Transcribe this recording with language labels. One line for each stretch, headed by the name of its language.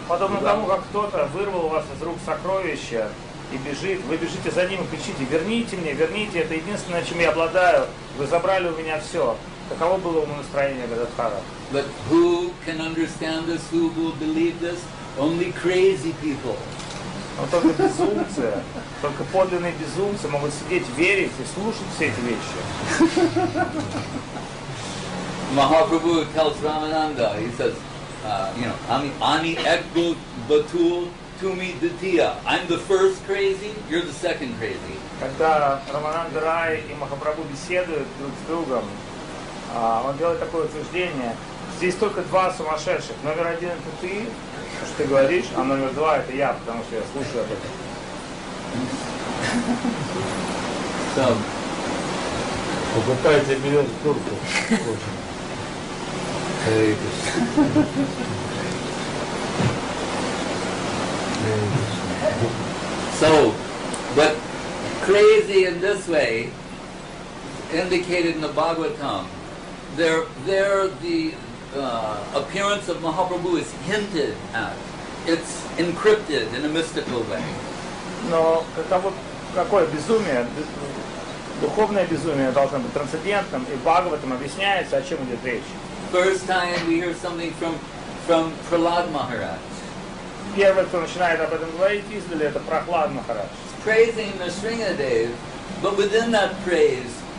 Russian: Подобно тому, как кто-то вырвал у вас из рук сокровища и бежит, вы бежите за ним и кричите: верните мне, верните, это единственное, чем я обладаю, вы забрали у меня все. Таково было ему настроение Гададхара.
English: But who can understand this, who will believe this? Only crazy people.
Russian: Но только безумцы, только подлинные безумцы могут сидеть, верить и слушать все эти вещи.
English: Mahaprabhu tells Ramananda, he says,
Bangla: Ani ekbu batul tumi ditiya.
English: I'm the first crazy, you're the second crazy.
Russian: Когда Рамананда Рай и Махапрабху беседуют друг с другом, он делает такое утверждение, здесь только два сумасшедших, номер один это ты, что ты говоришь, а номер два это я, потому что я слушаю об этом. Сам. Попытайте берет турку.
English: So, but crazy in this way, indicated in the Bhagavatam, there the appearance of Mahaprabhu is hinted at. It's encrypted in a mystical way.
Russian: Но это вот какое безумие, духовное безумие должно быть трансцендентным, и Бхагаватам объясняется, о чем идет речь.
English: First time we hear something from Prahlad Maharaj.
Russian: Первый, кто начинает об этом говорить издали, это Прохлад Махарадж.
English: He's praising the Sringadev, but within that praise,